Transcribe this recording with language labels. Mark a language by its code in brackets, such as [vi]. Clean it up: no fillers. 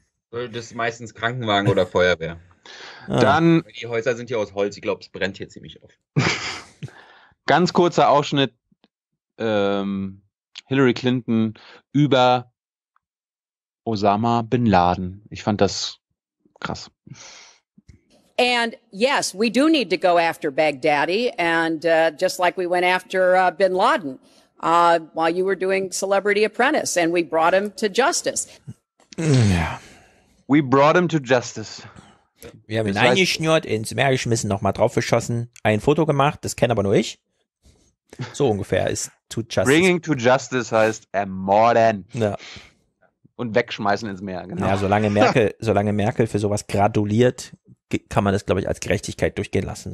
[de] Das ist meistens Krankenwagen oder Feuerwehr. Dann. Die Häuser sind hier aus Holz. Ich glaube, es brennt hier ziemlich oft. Ganz kurzer Ausschnitt, Hillary Clinton über Osama bin Laden. Ich fand das krass. [en] And yes, we do need to go after Baghdadi and just like we went after bin Laden. while you were doing Celebrity Apprentice, and we brought him to justice. Yeah. We brought him to justice. [de] Wir haben ihn eingeschnürt, ins Meer geschmissen, nochmal draufgeschossen, ein Foto gemacht, das kenne aber nur ich. So ungefähr ist [en] to justice. Bringing to justice [de] heißt ermorden. Ja. Und wegschmeißen ins Meer, genau. Ja, solange Merkel, solange Merkel für sowas gratuliert, kann man das, glaube ich, als Gerechtigkeit durchgehen lassen.